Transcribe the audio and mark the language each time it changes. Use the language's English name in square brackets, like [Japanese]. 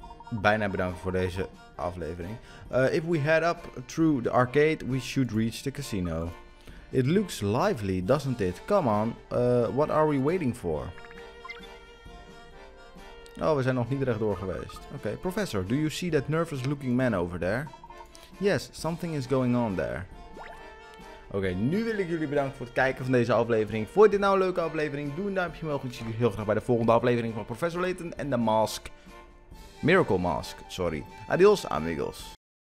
[Dutch] Bijna bedanken voor deze aflevering. [English] If we head up through the arcade, we should reach the casino. It looks lively, doesn't it? Come on, what are we waiting for? [Dutch] Oh, we zijn nog niet rechtdoor geweest. Oké, okay. [English] Professor, do you see that nervous looking man over there? Yes, something is going on there. [Dutch] Oké, nu wil ik jullie bedanken voor het kijken van deze aflevering. Vond je dit nou een leuke aflevering? Doe een duimpje omhoog. Ik zie jullie heel graag bij de volgende aflevering van Professor Layton en de Mask. Miracle Mask, sorry. [Spanish] Adios, amigos.